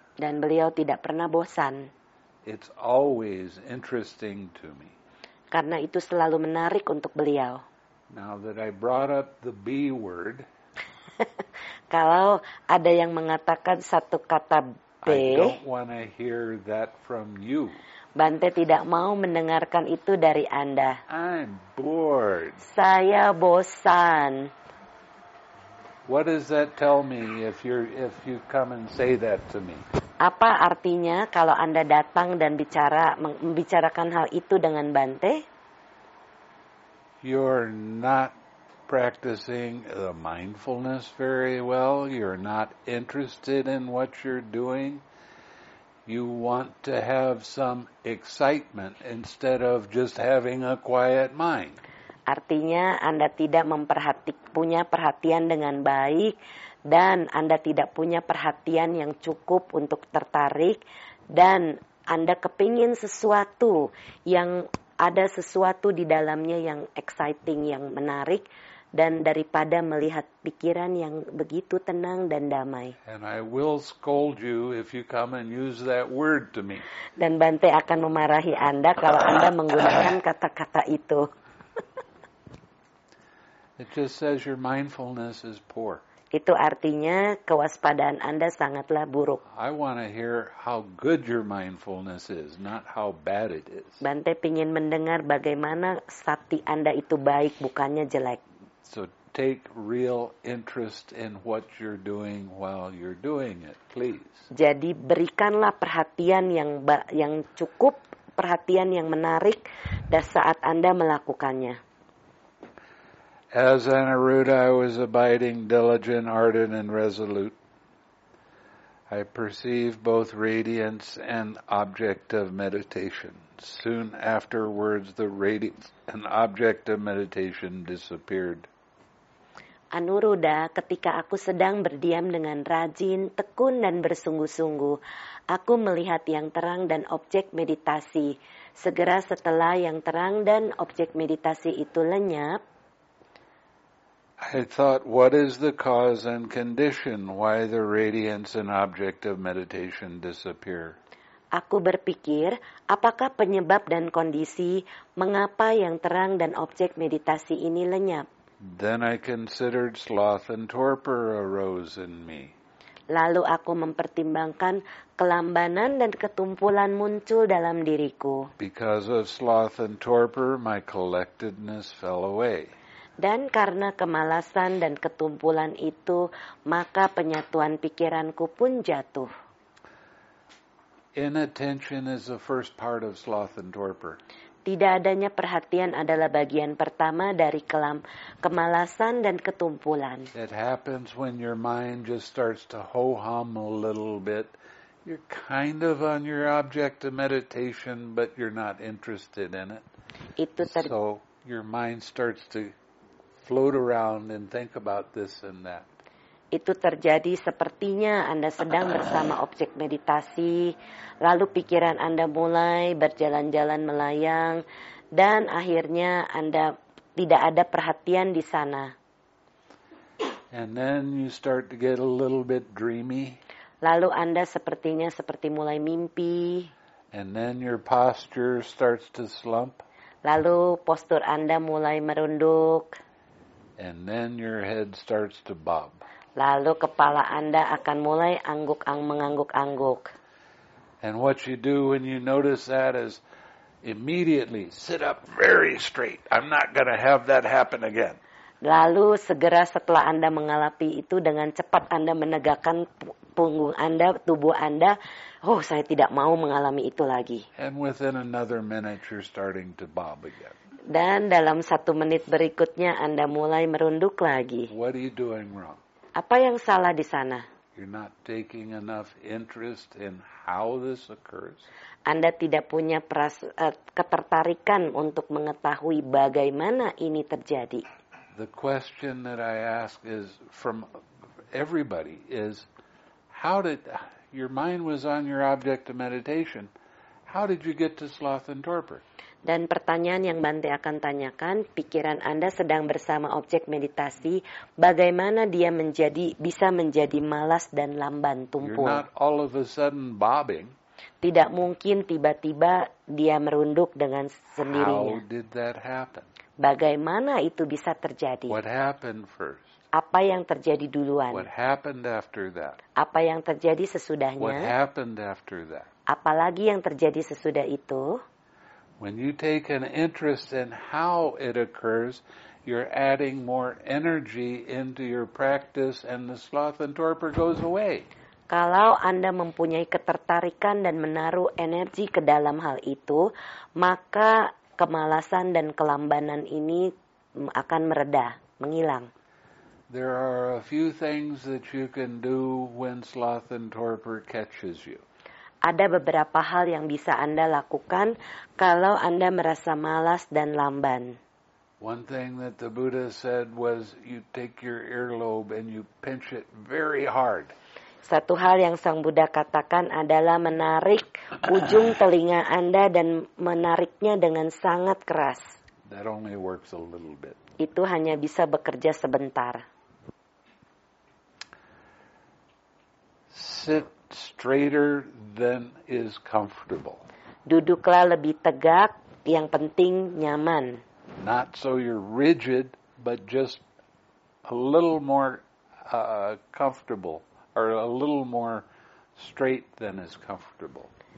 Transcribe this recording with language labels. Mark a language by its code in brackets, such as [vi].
[id] Dan beliau tidak pernah bosan. [en] It's always interesting to me. [id] Karena itu selalu menarik untuk beliau. [en] Now that I brought up the B word. [id] Kalau ada yang mengatakan satu kata B. [en] I don't want to hear that from you. [id] Bante tidak mau mendengarkan itu dari Anda. [en] I'm bored. [id] Saya bosan. [en] What does that tell me if you come and say that to me? [id] Apa artinya kalau Anda datang dan membicarakan hal itu dengan Bante? [en] You're not practicing the mindfulness very well. You're not interested in what you're doing. You want to have some excitement instead of just having a quiet mind. [id] Artinya Anda tidak punya perhatian dengan baik dan Anda tidak punya perhatian yang cukup untuk tertarik dan Anda kepingin sesuatu yang ada sesuatu di dalamnya yang exciting, yang menarik dan daripada melihat pikiran yang begitu tenang dan damai. [en] And I will scold you if you come and use that word to me. [id] Dan Bante akan memarahi Anda kalau Anda menggunakan kata-kata itu. [en] It just says your mindfulness is poor. [id] Itu artinya kewaspadaan Anda sangatlah buruk. [en] I want to hear how good your mindfulness is, not how bad it is. [id] Bante pingin mendengar bagaimana sati Anda itu baik, bukannya jelek. [en] So take real interest in what you're doing while you're doing it, please. [id] Jadi berikanlah perhatian yang cukup, perhatian yang menarik dan saat Anda melakukannya. [en] As an Aruda, I was abiding, diligent, ardent, and resolute. I perceive both radiance and object of meditation. Soon afterwards, the radiance and object of meditation disappeared. [id] Anuruddha, ketika aku sedang berdiam dengan rajin, tekun, dan bersungguh-sungguh, aku melihat yang terang dan objek meditasi. Segera setelah yang terang dan objek meditasi itu lenyap, [en] I thought, what is the cause and condition why the radiance and object of meditation disappear? [id] Aku berpikir, apakah penyebab dan kondisi mengapa yang terang dan objek meditasi ini lenyap? [en] Then I considered sloth and torpor arose in me. [id] Lalu aku mempertimbangkan kelambanan dan ketumpulan muncul dalam diriku. [en] Because of sloth and torpor, my collectedness fell away. [id] Dan karena kemalasan dan ketumpulan itu, maka penyatuan pikiranku pun jatuh. [en] Inattention is the first part of sloth and torpor. [id] Tidak adanya perhatian adalah bagian pertama dari kemalasan dan ketumpulan. [en] It happens when your mind just starts to ho-hum a little bit. You're kind of on your object of meditation, but you're not interested in it. So your mind starts to float around and think about this and that. [id] Itu terjadi sepertinya Anda sedang bersama objek meditasi, lalu pikiran Anda mulai berjalan-jalan melayang, dan akhirnya Anda tidak ada perhatian di sana. [en] And then you start to get a little bit dreamy. [id] Lalu Anda sepertinya seperti mulai mimpi. [en] And then your posture starts to slump. [id] Lalu postur Anda mulai merunduk. [en] And then your head starts to bob. [id] Lalu kepala Anda akan mulai mengangguk-angguk. [en] And what you do when you notice that is immediately sit up very straight. I'm not going to have that happen again. [id] Lalu segera setelah Anda mengalami itu dengan cepat Anda menegakkan punggung Anda, tubuh Anda, oh saya tidak mau mengalami itu lagi. [en] And within another minute you're starting to bob again. [id] Dan dalam satu menit berikutnya Anda mulai merunduk lagi. [en] What are you doing wrong? [id] Apa yang salah di sana? [en] You're not taking enough interest in how this occurs. [id] Anda tidak punya ketertarikan untuk mengetahui bagaimana ini terjadi. [en] The question that I ask is from everybody is how did your mind was on your object of meditation? How did you get to sloth and torpor? [id] Dan pertanyaan yang Bante akan tanyakan, pikiran Anda sedang bersama objek meditasi, bagaimana dia menjadi bisa menjadi malas dan lamban tumpul? [en] You're not all of a sudden bobbing. [id] Tidak mungkin tiba-tiba dia merunduk dengan sendirinya. [en] How did that happen? [id] Bagaimana itu bisa terjadi? [en] What happened first? [id] Apa yang terjadi duluan? [en] What happened after that? [id] Apa yang terjadi sesudahnya? [en] What happened after that? [id] Apalagi yang terjadi sesudah itu? [en] When you take an interest in how it occurs, you're adding more energy into your practice and the sloth and torpor goes away. [id] Kalau Anda mempunyai ketertarikan dan menaruh energi ke dalam hal itu, maka kemalasan dan kelambanan ini akan mereda, menghilang. [en] There are a few things that you can do when sloth and torpor catches you. [id] Ada beberapa hal yang bisa Anda lakukan kalau Anda merasa malas dan lamban. [en] One thing that the Buddha said was you take your earlobe and you pinch it very hard. [id] Satu hal yang Sang Buddha katakan adalah menarik ujung telinga Anda dan menariknya dengan sangat keras. [en] That only works a little bit. [id] Itu hanya bisa bekerja sebentar. [en] Sit straighter than is comfortable. [id] Duduklah lebih tegak, yang penting nyaman. [en] Not so you're rigid, but just a little more comfortable, or a little more straight than is comfortable.